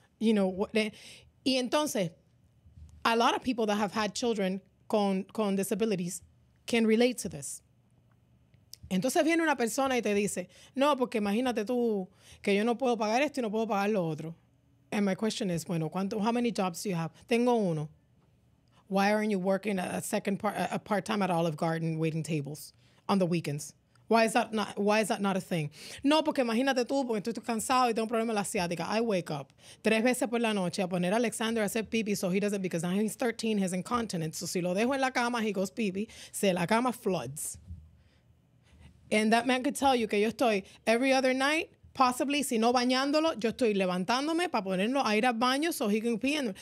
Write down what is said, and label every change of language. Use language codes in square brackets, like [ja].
[en] You know, [es] y entonces, [en] a lot of people that have had children con disabilities can relate to this. [es] Entonces viene una persona y te dice, no, porque imagínate tú que yo no puedo pagar esto y no puedo pagar lo otro. [en] And my question is, [es] bueno, [en] how many jobs do you have? [es] Tengo uno. [en] Why aren't you working a part-time at Olive Garden waiting tables on the weekends? Why is that not a thing? [es] No, porque imagínate tú, porque tú estás cansado y tengo un problema en la ciática. [en] I wake up [es] 3 veces por la noche a poner a Alexander a hacer pipi [en] so he doesn't, because now he's 13, he's incontinent. [es] So si lo dejo en la cama, [en] he goes pipi, [es] se la cama floods. [en] And that man could tell you [es] que yo estoy [en] every other night, possibly, [es] si no bañándolo, yo estoy levantándome para ponerlo a ir al baño [en] so he can pee.